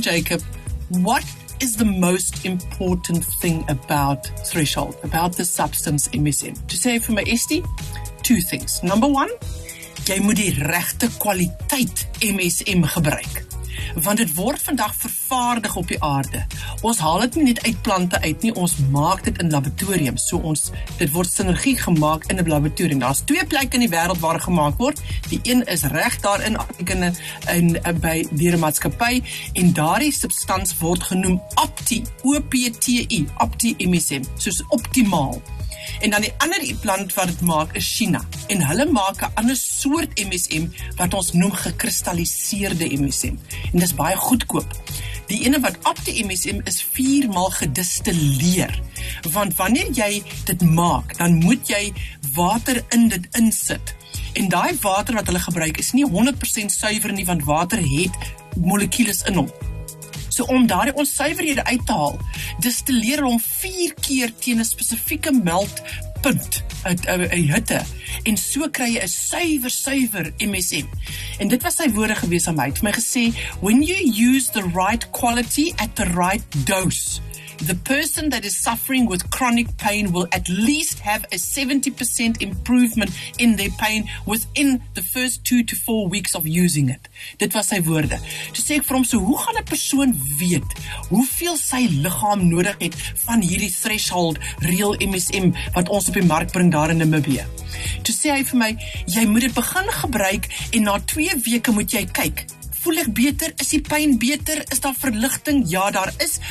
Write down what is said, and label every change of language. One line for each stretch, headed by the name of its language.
English: Jacob, what is the most important thing about Threshold, about the substance MSM? To say for my Esti, two things. Number one,
Afrikaans: jy moet die regte kwaliteit MSM gebruik. Want dit word vandag vervaardig op die aarde. Ons haal dit nie net uit plante uit nie, ons maak dit in laboratorium. So ons, dit word sinergie gemaak in 'n laboratorium. Daar's twee plekke in die wêreld waar gemaak word. Die een is reg daar in Afrika en by die maatskappy en daardie substans word genoem Opti, O-P-T-I, Opti MSM, soos optimaal. En dan die ander plant wat dit maak is China. En hulle maak 'n ander soort MSM wat ons noem gekristalliseerde MSM. En dis baie goedkoop. Die ene wat Opti MSM is 4-maal gedistilleer. Want wanneer jy dit maak, dan moet jy water in dit insit. En daai water wat hulle gebruik is nie 100% suiwer nie, want water het molekules in hom. So om daardie onsuiverhede uit te haal, distilleer hom 4 keer teen 'n spesifieke meltpunt, 'n hitte, en so kry jy 'n suiwer MSM. En dit was sy woorde gewees aan my. Hy het vir my gesê,
English: when you use the right quality at the right dose, the person that is suffering with chronic pain will at least have a 70% improvement in their pain within the first 2 to 4 weeks of using it.
Afrikaans: Dit was sy woorde. Toe sê ek vir hom, so hoe gaan 'n persoon weet hoeveel sy liggaam nodig het van hierdie threshold real MSM wat ons op die mark bring daar in Namibia? Toe sê hy vir my, jy moet dit begin gebruik en na 2 weke moet jy kyk. Voel ek beter? Is die pyn beter? Is daar verligting? Ja, daar is.